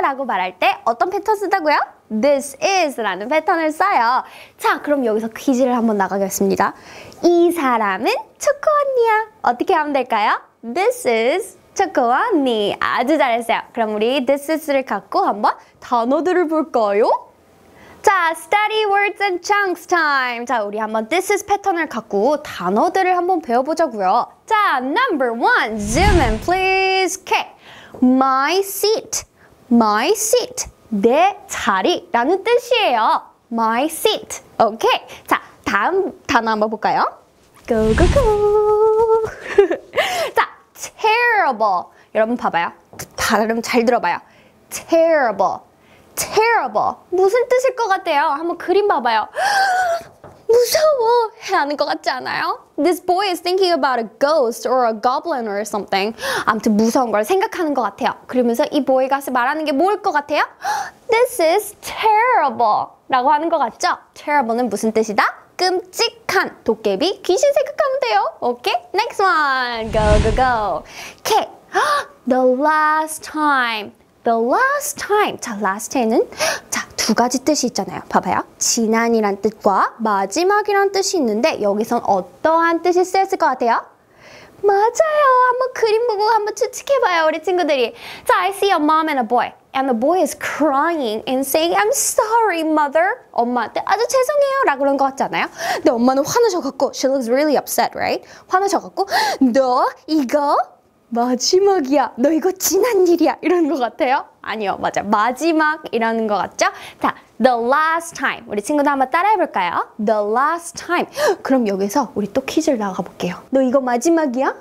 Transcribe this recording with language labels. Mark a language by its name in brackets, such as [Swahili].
[Korean] 라고 말할 때 어떤 패턴 쓰다고요? This is라는 패턴을 써요. 자, 그럼 여기서 퀴즈를 한번 나가겠습니다. 이 사람은 초코 언니야. 어떻게 하면 될까요? [English] This is [Korean] 초코 언니. 아주 잘했어요. 그럼 우리 this is를 갖고 한번 단어들을 볼까요? [English] 자, study words and chunks time. [Korean] 자, 우리 한번 this is 패턴을 갖고 단어들을 한번 배워보자고요. [English] 자, number one, zoom in please. Okay. My seat. My seat. [Korean] 내 자리라는 뜻이에요. [English] My seat. Okay. [Korean] 자, 다음 단어 한번 볼까요? [English] Go, go, go. 자, terrible. [Korean] 여러분 봐봐요. 발음 잘 들어봐요. [English] Terrible. Terrible. [Korean] 무슨 뜻일 것 같아요? 한번 그림 봐봐요. 무서워. 하는 것 같지 않아요? [English] This boy is thinking about a ghost or a goblin or something. [Korean] 아무튼 무서운 걸 생각하는 것 같아요. 그러면서 이 boy가 말하는 게 뭘 것 같아요? [English] This is terrible. [Korean] 라고 하는 것 같죠? Terrible는 무슨 뜻이다? 끔찍한 도깨비 귀신 생각하면 돼요. [English] 오케이? Next one. Go, go, go. Okay. The last time. The last time. [Korean] 자, last에는 자, 두 가지 뜻이 있잖아요. 봐봐요. 지난이란 뜻과 마지막이란 뜻이 있는데 여기선 어떠한 뜻이 쓰였을 것 같아요? 맞아요. 한번 그림 보고 한번 추측해봐요, 우리 친구들이. [English] 자, I see a mom and a boy. And the boy is crying and saying, I'm sorry, mother. [Korean] 엄마한테 아주 죄송해요. 라고 그런 것 같지 않아요? 근데 엄마는 화나셔갖고, [English] she looks really upset, right? [Korean] 화나셔갖고, 너 이거 마지막이야. 너 이거 지난 일이야. 이러는 것 같아요? 아니요. 맞아. 마지막이라는 것 같죠? [English] 자, the last time. [Korean] 우리 친구들 한번 따라해볼까요? [English] The last time. [Korean] 그럼 여기서 우리 또 퀴즈를 나가볼게요. 너 이거 마지막이야?